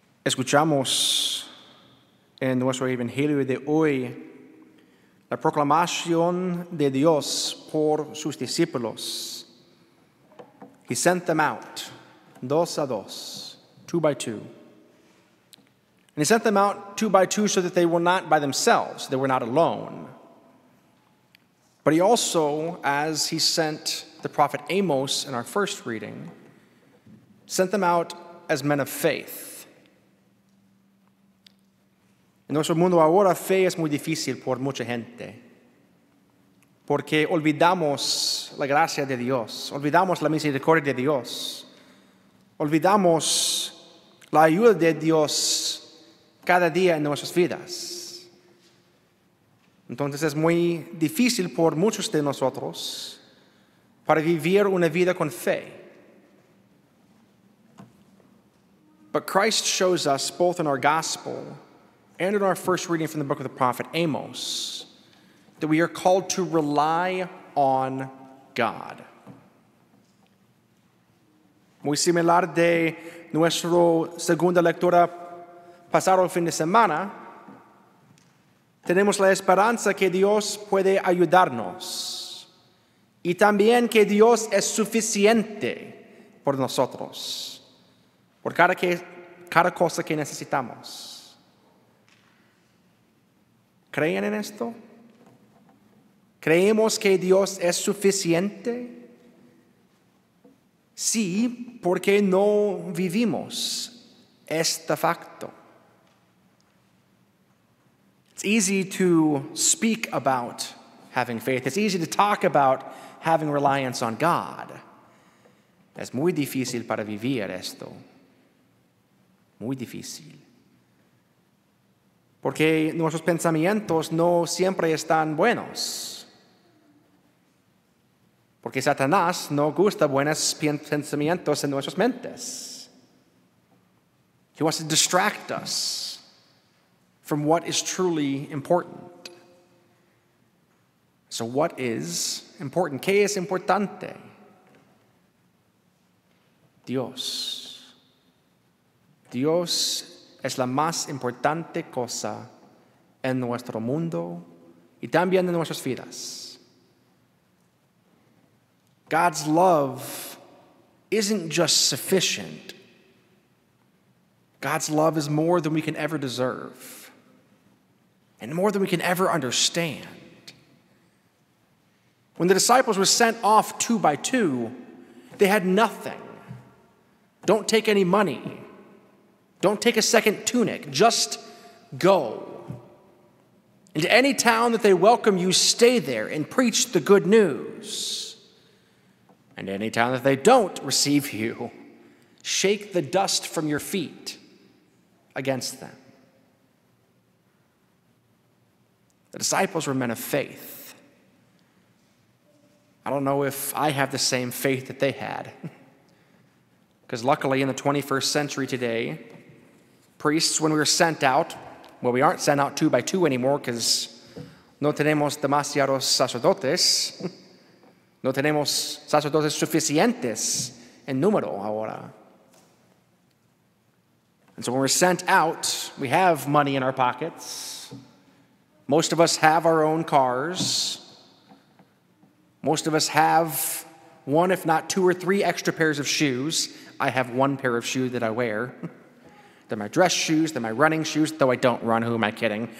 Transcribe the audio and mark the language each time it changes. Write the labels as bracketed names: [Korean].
[Spanish] Escuchamos en nuestro Evangelio de hoy la proclamación de Dios por sus discípulos. [English] He sent them out, [Spanish] dos a dos, [English] two by two. And he sent them out two by two so that they were not by themselves, they were not alone. But he also, as he sent the prophet Amos in our first reading, sent them out as men of faith. [Spanish] En nuestro mundo ahora, fe es muy difícil por mucha gente, porque olvidamos la gracia de Dios, olvidamos la misericordia de Dios, olvidamos la ayuda de Dios cada día en nuestras vidas. Entonces es muy difícil por muchos de nosotros para vivir una vida con fe. [English] But Christ shows us both in our gospel and in our first reading from the book of the prophet Amos, that we are called to rely on God. [Spanish] Muy similar de nuestro segunda lectura pasado el fin de semana, tenemos la esperanza que Dios puede ayudarnos y también que Dios es suficiente por nosotros, por cada cosa que necesitamos. ¿Creen en esto? ¿Creemos que Dios es suficiente? Sí, porque no vivimos este facto. [English] It's easy to speak about having faith. It's easy to talk about having reliance on God. [Spanish] Es muy difícil para vivir esto. Muy difícil. Porque nuestros pensamientos no siempre están buenos. Porque Satanás no gusta buenos pensamientos en nuestras mentes. [English] He wants to distract us from what is truly important. So what is important? [Spanish] ¿Qué es importante? Dios. Dios es la más importante cosa en nuestro mundo y también en nuestras vidas. [English] God's love isn't just sufficient. God's love is more than we can ever deserve and more than we can ever understand. When the disciples were sent off two by two, they had nothing. Don't take any money. Don't take a second tunic. Just go. Into any town that they welcome you, stay there and preach the good news. And any town that they don't receive you, shake the dust from your feet against them. The disciples were men of faith. I don't know if I have the same faith that they had. Because luckily in the 21st century today, priests, when we were sent out, well, we aren't sent out two by two anymore because [Spanish] no tenemos demasiados sacerdotes. No tenemos sacerdotes suficientes en número ahora. [English] And so when we're sent out, we have money in our pockets. Most of us have our own cars. Most of us have one, if not two or three extra pairs of shoes. I have one pair of shoes that I wear. They're my dress shoes, they're my running shoes, though I don't run, who am I kidding?